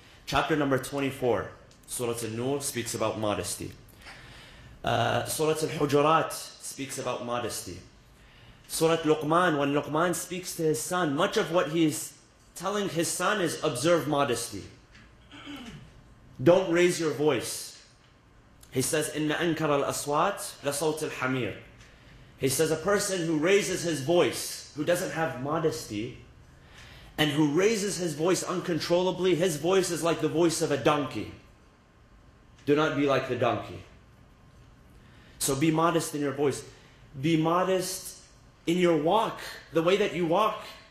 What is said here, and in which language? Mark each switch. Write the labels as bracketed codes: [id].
[en] Chapter number 24, Surah An-Nur, speaks about modesty. Surah Al-Hujurat speaks about modesty. Surah Luqman, when Luqman speaks to his son, much of what he's telling his son is observe modesty. Don't raise your voice. He says, [ar] إِنَّ أَنْكَرَ الْأَصْوَاتِ لَصَوْتِ الْحَمِيرِ. [en] He says, a person who raises his voice, who doesn't have modesty, and who raises his voice uncontrollably, his voice is like the voice of a donkey. Do not be like the donkey. So be modest in your voice. Be modest in your walk, the way that you walk.